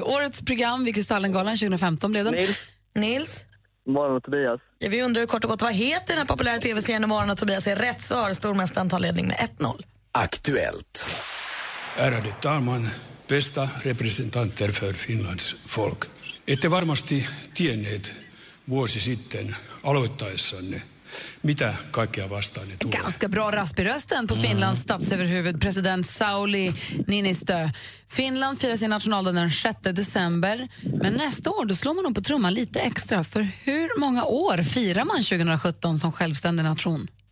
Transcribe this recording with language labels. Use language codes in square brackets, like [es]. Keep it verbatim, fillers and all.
[sv] Årets program vid Kristallengalan tjugo femton blev den. Nils. Nils. Morgon och Tobias. Ja, vi undrar kort och gott, vad heter den här populära tv-serien? Och Morgon och Tobias är rätt svar. Stormästaren tar ledning med ett noll. Aktuellt. Ärade talman. Bästa representanter för Finlands folk. [fi] Ette varmasti tienneet vuosi sitten aloittaessanne, mitä kaikkea vastaanne tulee. [sv] Ganska bra rasp i rösten på Finlands statsöverhuvud, president Sauli Niinistö. Finland firar sin nationaldag den sjätte december. Men nästa år då slår man om på trumman lite extra. För hur många år firar man tjugo sjutton som självständig nation?